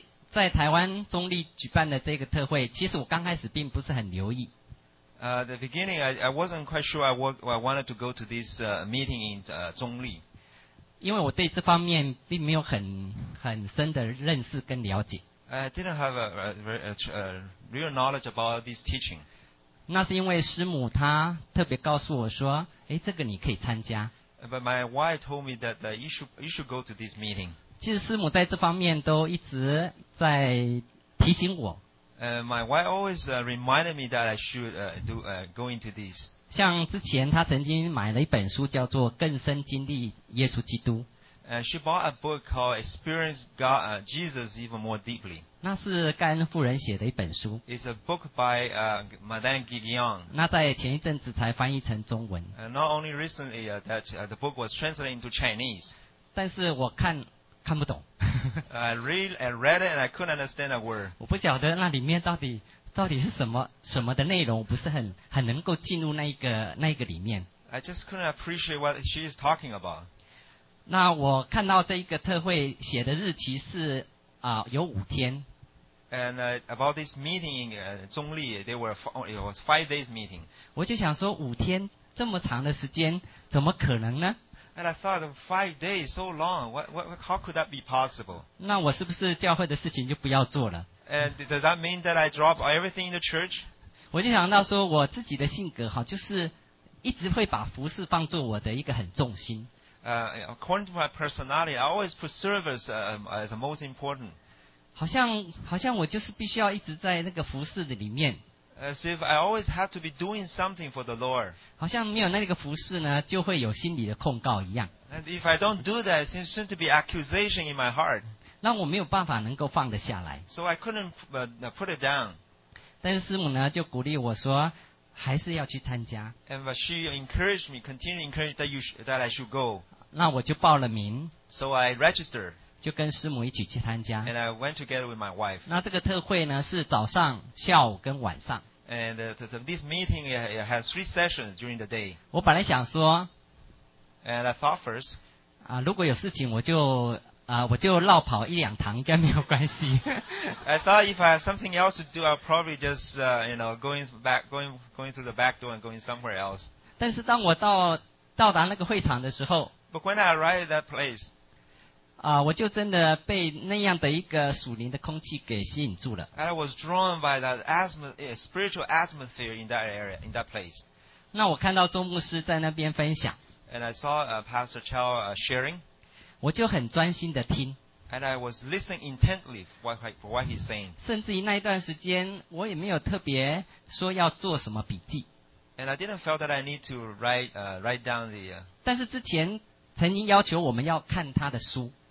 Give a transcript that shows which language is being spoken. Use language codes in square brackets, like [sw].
[zh] 在台湾中立举办的这个特会，其实我刚开始并不是很留意。 [en] The beginning, I wasn't quite sure I wanted to go to this meeting in 中立。 [zh] 因为我对这方面并没有很深的认识跟了解。 [en] I didn't have a real knowledge about this teaching. [zh] 那是因为师母她特别告诉我说，这个你可以参加。 [en] But my wife told me that you should go to this meeting. [zh] 其实师母在这方面都一直在提醒我。 [en] My wife always reminded me that I should go into this. [zh] 像之前他曾经买了一本书叫做更深经历耶稣基督。 [en] She bought a book called Experience God, Jesus Even More Deeply. [zh] 那是盖恩夫人写的一本书。 [en] It's a book by Madame Guillon. [zh] 那在前一阵子才翻译成中文。 [en] Not only recently that the book was translated into Chinese. [zh] 但是我看不懂。 [en] I read it and I couldn't understand a word. [zh] 我不晓得那里面到底到底是什么的内容，我不是很能够进入那个里面。 [en] I just couldn't appreciate what she is talking about. [zh] 那我看到这个特会写的日期是有五天。 [en] And about this meeting in 中立 it was 5 days meeting. [zh] 我就想说五天这么长的时间怎么可能呢？ [en] And I thought, 5 days, so long, how could that be possible? [zh] 那我是不是教会的事情就不要做了？ [en] And does that mean that I drop everything in the church? [zh] 我就想到说我自己的性格就是一直会把服事放作我的一个很重心。 [en] According to my personality, I always put service as the most important. [zh] 好像我就是必须要一直在那个服事的里面。 [en] As if I always have to be doing something for the Lord. [zh] 好像没有那个服事呢，就会有心理的控告一样。 [en] And if I don't do that, it seems to be accusation in my heart. [zh] 让我没有办法能够放得下来。 [en] So I couldn't put it down. [zh] 但是师母呢，就鼓励我说，还是要去参加。 [en] And she encouraged me, continued to encourage that I should go. [zh] 那我就报了名。 [en] So I registered. [zh] 就跟师母一起去参加。 [en] And I went together with my wife. [zh] 那这个特会呢，是早上、下午跟晚上。 [en] And this meeting has 3 sessions during the day. [zh] 我本来想说。 [en] And I thought first. [zh] 如果有事情我就绕跑一两堂应该没有关系。 [en] I thought if I have something else to do, I'll probably just, going through the back door and going somewhere else. [zh] 但是当我到达那个会场的时候。 [en] But when I arrived at that place, [zh] 我就真的被那样的一个属灵的空气给吸引住了。 [en] And I was drawn by that spiritual atmosphere in that area, in that place. [zh] 那我看到周牧师在那边分享。 [en] And I saw Pastor Chow sharing. [zh] 我就很专心的听。 [en] And I was listening intently for what he's saying. [zh] 甚至于那一段时间我也没有特别说要做什么笔记。 [en] And I didn't feel that I need to write down the, [zh] 但是之前曾经要求我们要看他的书。